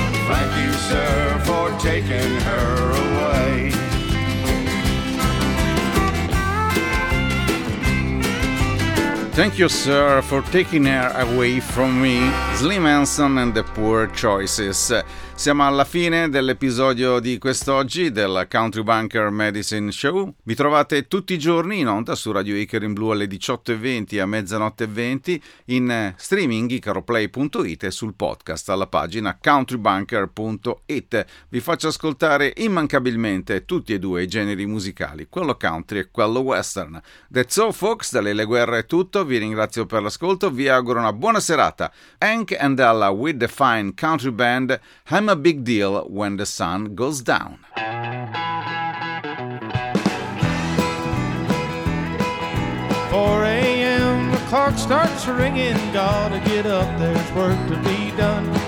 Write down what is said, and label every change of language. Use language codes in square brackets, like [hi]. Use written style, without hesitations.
[en] Thank you, sir, for taking her away. Thank you, sir, for taking her away from me. Slim Hansen and the Poor Choices. [it] Siamo alla fine dell'episodio di quest'oggi del Country Bunker Medicine Show. Mi trovate tutti i giorni in onda su Radio Acre in Blu alle 18.20 a mezzanotte e 20, in streaming icaroplay.it e sul podcast alla pagina countrybunker.it. Vi faccio ascoltare immancabilmente tutti e due i generi musicali, quello country e quello western. [en] That's all, folks, [it] dalle Le Guerre è tutto. Vi ringrazio per l'ascolto, vi auguro una buona serata. [en] Hank and Ella with the Fine Country Band. I'm a big deal when the sun goes down. Four a.m. the clock starts ringing. Gotta get up, there's work to be done.